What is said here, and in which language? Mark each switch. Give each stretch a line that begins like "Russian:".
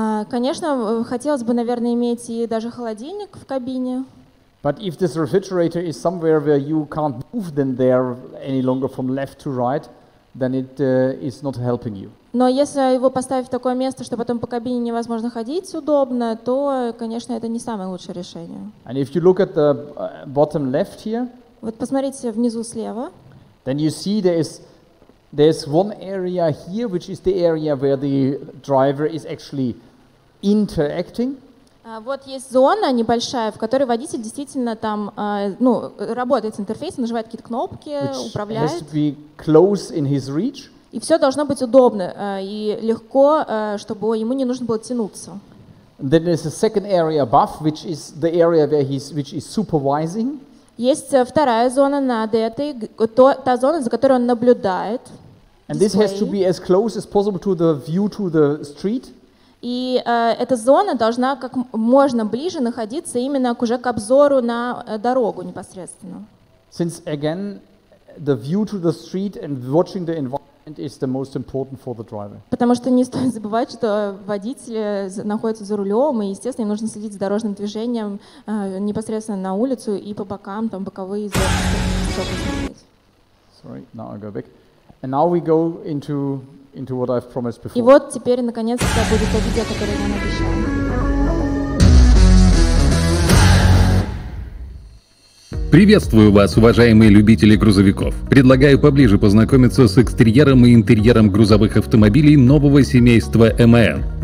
Russian: Конечно, хотелось бы, наверное, иметь и даже холодильник в кабине.
English: But if this refrigerator is somewhere where you can't move them there any longer from left to right, then it is not helping you.
Russian: Но если его поставить в такое место, что потом по кабине невозможно ходить удобно, то, конечно, это не самое лучшее решение.
English: And if you look at the bottom left here,
Russian: вот посмотрите внизу слева,
English: then you see there's one area here, which is the area where the driver is actually interacting.
Russian: Вот есть зона небольшая, в которой водитель действительно там, работает с интерфейсом, нажимает какие-то кнопки,
English: which
Russian: управляет.
English: Has to be close in his reach.
Russian: И все должно быть удобно и легко, чтобы ему не нужно было тянуться.
English: Then there's a second area above, which is the area where which is supervising.
Russian: Есть вторая зона над этой, та зона, за которой он наблюдает.
English: And display. This has to be as close as possible to the view to the street.
Russian: И эта зона должна как можно ближе находиться именно уже к обзору на дорогу непосредственно.
English: Since again, the view to the street and watching the environment is the most important for the driver.
Russian: Потому что не стоит забывать, что водитель находится за рулем, и, естественно, им нужно следить за дорожным движением непосредственно на улицу и по бокам, там, боковые зоны.
English: Sorry, now I go back. And now we go into what I've promised before.
Russian: И вот теперь наконец-то будет то видео, которое я обещала. Приветствую вас, уважаемые любители грузовиков. Предлагаю поближе познакомиться с экстерьером и интерьером грузовых автомобилей нового семейства MAN.